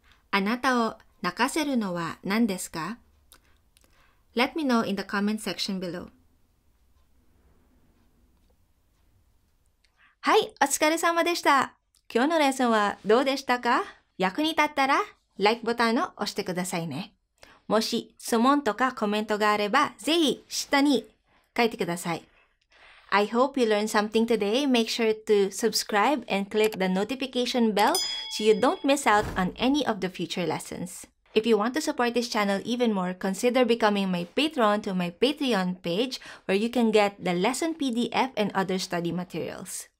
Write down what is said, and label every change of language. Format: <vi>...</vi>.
<ja>あなたを泣かせるのは何ですか?</ja> <en>Let me know in the comment section below.</en> <ja>はい、お疲れ様でした。今日のレッスンはどうでしたか?役に立ったら、LIKE ボタンを押してくださいね。もし、質問とかコメントがあれば、ぜひ下に書いてください。</ja> <en>I hope you learned something today. Make sure to subscribe and click the notification bell so you don't miss out on any of the future lessons. If you want to support this channel even more, consider becoming my patron to my Patreon page where you can get the lesson PDF and other study materials.</en>